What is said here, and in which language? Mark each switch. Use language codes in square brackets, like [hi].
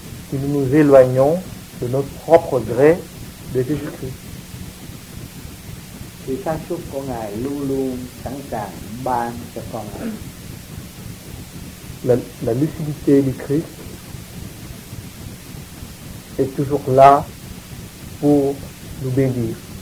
[fr] Si nous nous éloignons de notre propre gré de Jésus-Christ, [vi] thì sáng suốt của Ngài luôn luôn sẵn sàng ban cho con. [fr] La lucidité du Christ est toujours là pour nous bénir.